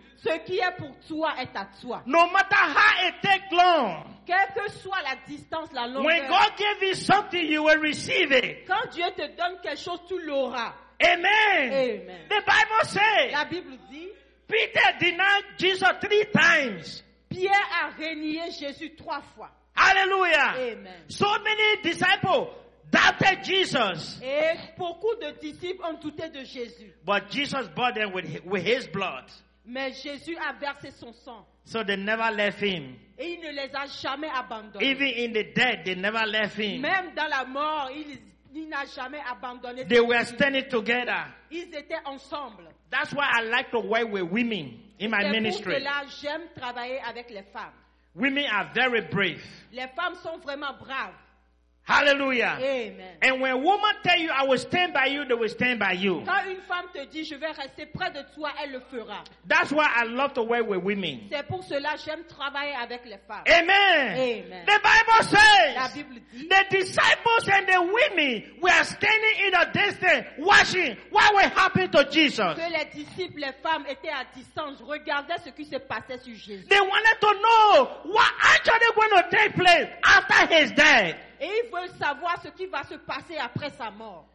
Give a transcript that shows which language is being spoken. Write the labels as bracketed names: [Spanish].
[French] Ce qui est pour toi est à toi. [English] No matter how it takes long, [French] quelle que soit la distance, la longueur, [English] when God gave you something, you will receive it. [French] Quand Dieu te donne quelque chose, tu l'auras. Amen. Amen. [English] The Bible says, [French] la Bible dit, [English] Peter denied Jesus 3 times. [French] Pierre a renié Jésus 3 fois. Hallelujah. Amen. [English] So many disciples doubted Jesus. [French] Et beaucoup de disciples ont douté de Jésus. [English] But Jesus bought them with his blood. [French] Mais Jésus a versé son sang. [English] So they never left him. [French] Et il ne les a jamais abandonnés. [English] Even in the dead, they never left him. [French] Même dans la mort, il n'a jamais abandonné. [English] They were standing together. [French] Ils étaient ensemble. [English] That's why I like to work with women in my ministry. [French] C'est pour cela que j'aime travailler avec les femmes. [English] Women are very brave. [French] Les femmes sont vraiment braves. Hallelujah. Amen. [English] And when a woman tell you, I will stand by you, they will stand by you. [French] Quand une femme te dit, je vais rester près de toi, elle le fera. [English] That's why I love to work with women. [French] C'est pour cela j'aime travailler avec les femmes. Amen. Amen. [English] The Bible says, [French] la Bible dit, [English] the disciples and the women were standing in a distance watching what will happen to Jesus. [French] Que les disciples, les femmes étaient à distance, regardaient ce qui se passait sur Jésus. [English] They wanted to know what actually going to take place after his death. [French] Et ils veulent savoir ce qui va se passer après sa mort.